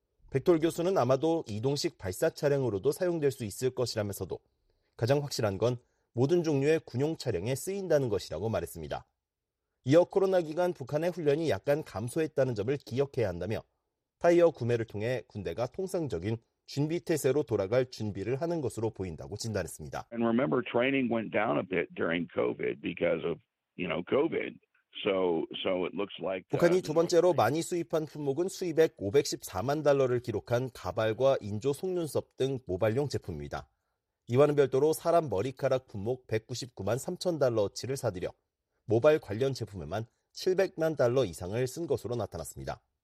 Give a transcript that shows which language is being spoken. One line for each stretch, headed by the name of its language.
Korean: 백돌 교수는 아마도 이동식 발사 차량으로도 사용될 수 있을 것이라면서도 가장 확실한 건 모든 종류의 군용 차량에 쓰인다는 것이라고 말했습니다. 이어 코로나 기간 북한의 훈련이 약간 감소했다는 점을 기억해야 한다며 타이어 구매를 통해 군대가 통상적인 준비 태세로 돌아갈 준비를 하는 것으로 보인다고 진단했습니다.
English: And remember training went down a bit during COVID because of, you know, COVID. So it looks like
Korean: 북한이 두 번째로 많이 수입한 품목은 수입액 514만 달러를 기록한 가발과 인조 속눈썹 등 모발용 제품입니다. 이와는 별도로 사람 머리카락 품목 199만 3천 달러어치를 사들여 모발 관련 제품에만 700만 달러 이상을 쓴 것으로 나타났습니다.